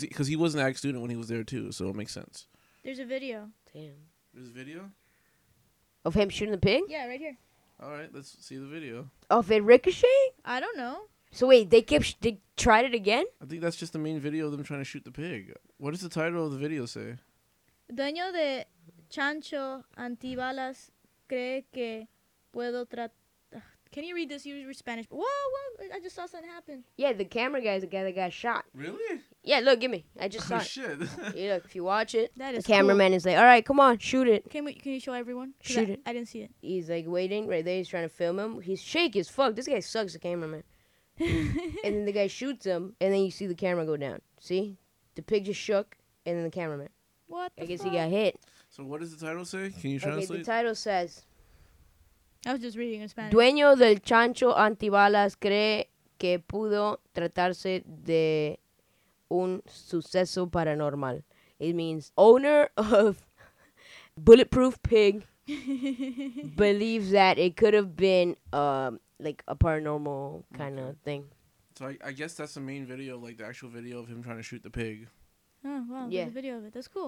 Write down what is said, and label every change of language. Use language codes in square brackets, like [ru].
[en] Because he was an ACT student when he was there, too, so it makes sense. There's a video. Damn. There's a video? Of him shooting the pig? Yeah, right here. All right, let's see the video. Of it ricocheting? I don't know. So wait, they kept they tried it again? I think that's just the main video of them trying to shoot the pig. What does the title of the video say? [es] Dueño de Chancho Antibalas cree que puedo tratar. [en] Can you read this? You were Spanish. Whoa! I just saw something happen. Yeah, the camera guy is the guy that got shot. Really? Yeah, look, give me. I just saw it. Shit. You look, if you watch it, that the is cameraman cool. is like, all right, come on, shoot it. Can you show everyone? Shoot it. I didn't see it. He's like waiting right there. He's trying to film him. He's shaky as fuck. This guy sucks, the cameraman. And then the guy shoots him, and then you see the camera go down. See? The pig just shook, and then the cameraman. What the I guess fuck? He got hit. So what does the title say? Can you translate? Okay, the title says... I was just reading in Spanish. [es] Dueño del chancho antibalas cree que pudo tratarse de un suceso paranormal. [en] It means owner of bulletproof pig believes that it could have been like a paranormal kind of thing. So I guess that's the main video, like the actual video of him trying to shoot the pig. Oh, wow. Yeah. There's a video of it. That's cool.